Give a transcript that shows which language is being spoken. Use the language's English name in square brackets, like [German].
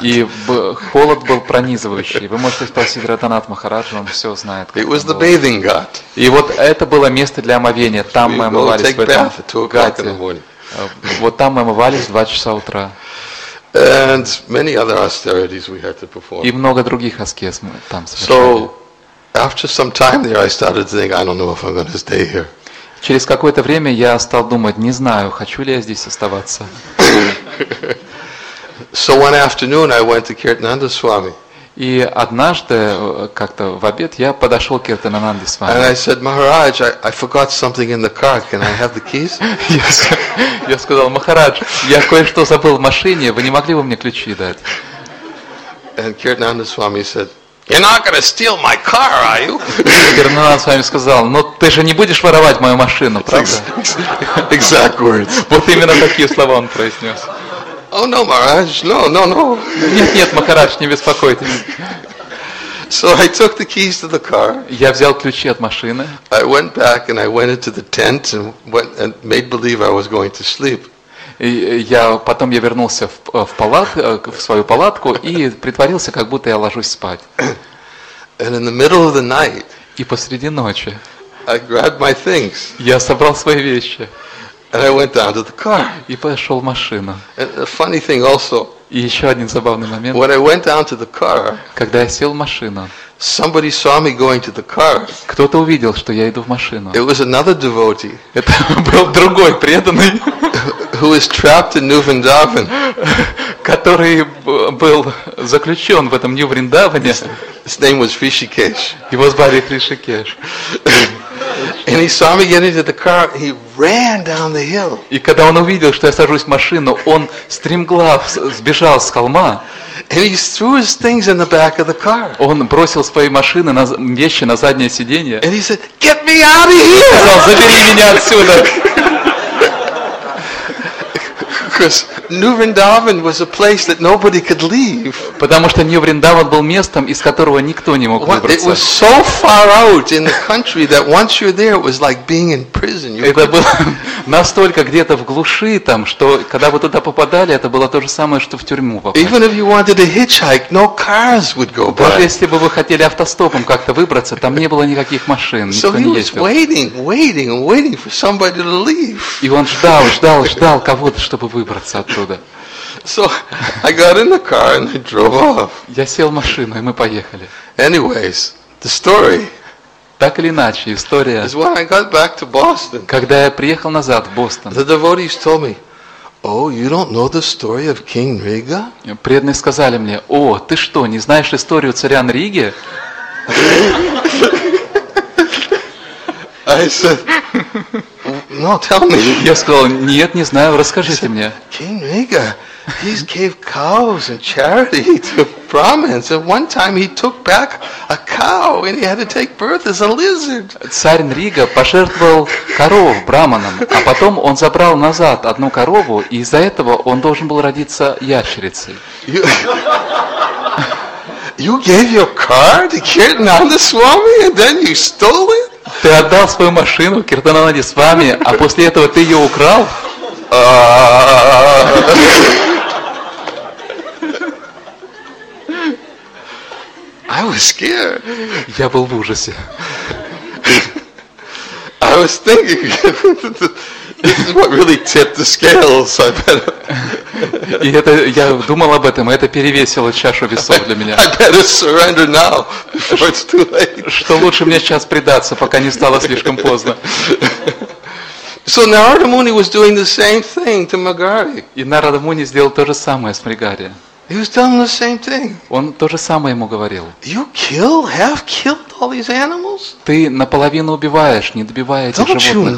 [Russian] И холод был пронизывающий. Вы можете спросить Радханат Махарадж, он все знает. [English] It was the bathing ghat. [Russian] И вот это было место для омовения, там мы омывались в этом гате. Вот там мы омывались в 2 часа утра. [English] And many other austerities we had to perform. [Russian] И много других аскез мы там совершали. [English] So after some time there, I started to think, I don't know if I'm going to stay here. [Russian] Через какое-то время я стал думать, не знаю, хочу ли я здесь оставаться. [English] So one afternoon I went to Kirtananda Swami. [Russian] И однажды как-то в обед я подошел к Киртананде Свами. [English] And I said, Maharaj, I forgot something in the car. Can I have the keys? [Russian] Я сказал, Махарадж, я кое-что забыл в машине. Вы не могли бы мне ключи дать? [English] And Kirtananda Swami said, You're not going to steal my car, are you? [Russian] Киртананда Свами сказал, Но ты же не будешь воровать мою машину, правда? [English] Exact words. [Russian] Вот именно такие слова он произнес. [English] Oh no, Maharaj, no. [Russian] Нет, нет, Махарадж, не беспокойтесь. [English] So I took the keys to the car. [Russian] Я взял ключи от машины. [English] I went back and I went into the tent and went and made believe I was going to sleep. [Russian] И я потом я вернулся в свою палатку и притворился, как будто я ложусь спать. [English] And in the middle of the night. [Russian] И посреди ночи. [English] I grabbed my things. [Russian] Я собрал свои вещи. [English] And I went down to the car. [Russian] И пошел в машину. [English] And a funny thing also. [Russian] И еще один забавный момент. [English] When I went down to the car. [Russian] Когда я сел в машину. [English] Somebody saw me going to the car. [Russian] Кто-то увидел, что я иду в машину. [English] It was another devotee. [Russian] Это был другой преданный. [English] Who was trapped in New Vrindavan. [Russian] Который был заключен в этом New Vrindavan. [English] His name was Hrishikesh. [Russian] Его звали Хришикеш. [English] And he saw me get into the car. He ran down the hill. [Russian] И когда он увидел, что я сажусь в машину, он стремглав сбежал с холма. [English] And he threw his things in the back of the car. [Russian] Он бросил свои машины, вещи на заднее сиденье. [English] And he said, "Get me out of here!" [Russian] Сказал, забери меня отсюда. [English] Because New Vrindavan was a place that nobody could leave. [Russian] Потому что New Vrindavan был местом, из которого никто не мог выбраться. [English] It was so far out in the country that once you're there, it was like being in prison. [Russian] Это было настолько где-то в глуши там, что когда вы туда попадали, это было то же самое, что в тюрьму попасть. [English] Even if you wanted to hitchhike, no cars would go by. [Russian] Даже если бы вы хотели автостопом как-то выбраться, там не было никаких машин. [English] So he was waiting for somebody to leave. [Russian] И он ждал кого-то, чтобы выбраться оттуда. [English] So I got in the car and I drove off. [Russian] Я сел в машину и мы поехали. [English] Anyways, the story. [Russian] Так или иначе, история. [English] Is when I got back to Boston. [Russian] Когда я приехал назад в Бостон. [English] The devotees told me, "Oh, you don't know the story of King Nriga?" [Russian] Преданные сказали мне, "О, ты что, не знаешь историю царя Нриги?" [English] I said. No, tell me. [Russian] Я сказал, нет, не знаю, расскажите мне. [English] King Nriga, he gave cows and charity to Brahmins. At one time he took back a cow and he had to take birth as a lizard. [Russian] Царь Нрига пожертвовал корову браманам, а потом он забрал назад одну корову, и из-за этого он должен был родиться ящерицей. [English] You gave your car to Kirtananda Swami and then you stole it? [Russian] Ты отдал свою машину Киртананде Свами, а после этого ты ее украл? [English] I was scared. [Russian] Я был в ужасе. [English] I was thinking this is what really tipped the scales. I better. [Russian] И это я думал об этом, и это перевесило чашу весов для меня. [English] I better surrender now before it's too late. [Russian] Что лучше мне сейчас предаться, пока не стало слишком поздно. [English] So Narada Muni was doing the same thing to Magari. [Russian] И Нарада Муни сделал то же самое с Мригари. [English] He was telling the same thing. [Russian] Он то же самое ему говорил. [English] You kill, have killed all these animals? [Russian] Ты наполовину убиваешь, не добивая этих животных.